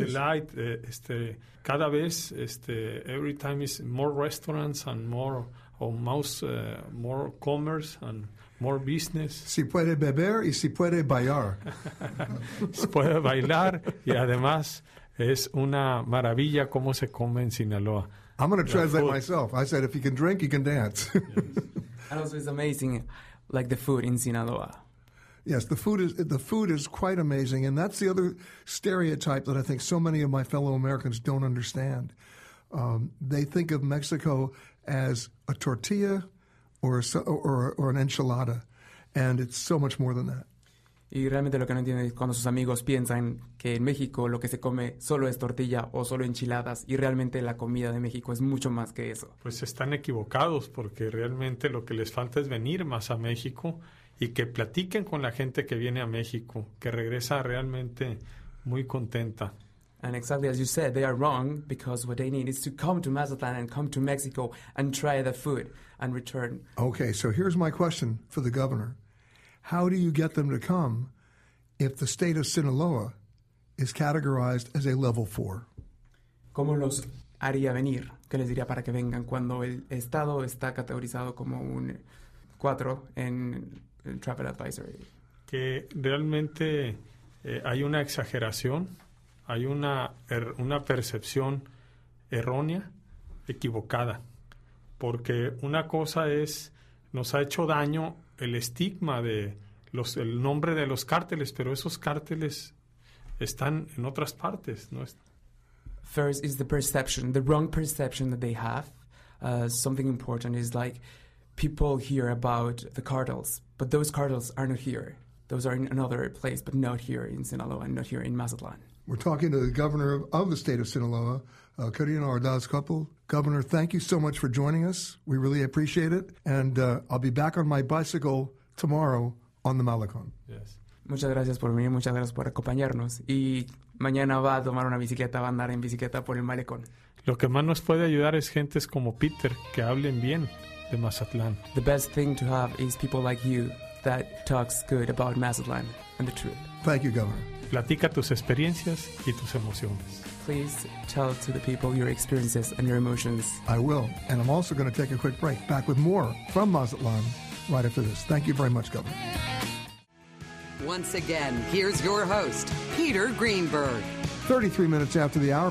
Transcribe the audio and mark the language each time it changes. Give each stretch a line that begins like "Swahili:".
English: The light,
Spanish: cada vez,
English: every time is more restaurants and more commerce and more business.
Spanish: Si puede beber y si puede bailar. Si puede bailar y además... Es una maravilla cómo se come en Sinaloa.
English: I'm going to translate myself. I said, if you can drink, you can dance. Yes. And also, it's amazing, like the food in Sinaloa. Yes, the food is quite amazing. And that's the other stereotype that I think so many of my fellow Americans don't understand. They think of Mexico as a tortilla or an enchilada. And it's so much more than that.
Spanish: Y realmente lo que no entienden es cuando sus amigos piensan que en México lo que se come solo es tortilla o solo enchiladas, y realmente la comida de México es mucho más que eso. Pues están equivocados, porque realmente lo que les falta es venir más a México y que platiquen con la gente que viene a México, que regresa realmente muy contenta.
English: And exactly as you said, they are wrong, because what they need is to come to Mazatlán and come to Mexico and try the food and return. Okay, so here's my question for the governor. How do you get them to come if the state of Sinaloa is categorized as a level 4?
Spanish: ¿Cómo los haría venir? ¿Qué les diría para que vengan cuando el estado está categorizado como un 4 en el Travel Advisory? Que realmente hay una exageración, hay una percepción errónea, equivocada. Porque una cosa es, nos ha hecho daño el estigma de el nombre de los cárteles, pero esos cárteles están en otras partes, ¿no?
English: First is the perception, the wrong perception that they have. Something important is like people hear about the cartels, but those cartels are not here. Those are in another place, but not here in Sinaloa and not here in Mazatlán. We're talking to the governor of the state of Sinaloa, Karina Ordaz-Coppel. Governor, thank you so much for joining us. We really appreciate it. And I'll be back on my bicycle tomorrow on the Malecón. Yes.
Spanish: Muchas gracias por venir. Muchas gracias por acompañarnos. Y mañana va a tomar una bicicleta, va a andar en bicicleta por el Malecón. Lo que más nos puede ayudar es gentes como Peter, que hablen bien de Mazatlán.
English: The best thing to have is people like you that talks good about Mazatlán and the truth. Thank you, Governor.
Spanish: Platica tus experiencias y tus emociones.
English: Please tell to the people your experiences and your emotions. I will. And I'm also going to take a quick break. Back with more from Mazatlán right after this. Thank you very much, Governor. Once again, here's your host, Peter Greenberg. 33 minutes after the hour.